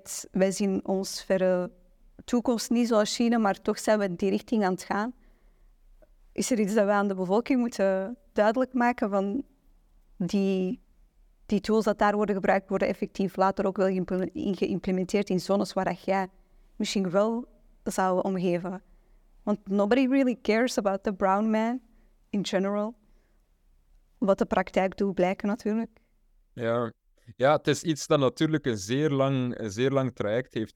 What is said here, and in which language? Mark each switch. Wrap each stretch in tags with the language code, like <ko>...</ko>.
<nl>Wij zien ons verre toekomst niet zoals China, maar toch zijn we in die richting aan het gaan. Is er iets dat wij aan de bevolking moeten duidelijk maken van die tools dat daar worden gebruikt, worden effectief later ook wel geïmplementeerd in zones waar jij misschien wel zou omgeven?</nl> <en>Want nobody really cares about the brown man in general.</en> <nl>Wat de praktijk doet blijken natuurlijk. Ja, het is iets dat natuurlijk een zeer lang traject heeft.</nl>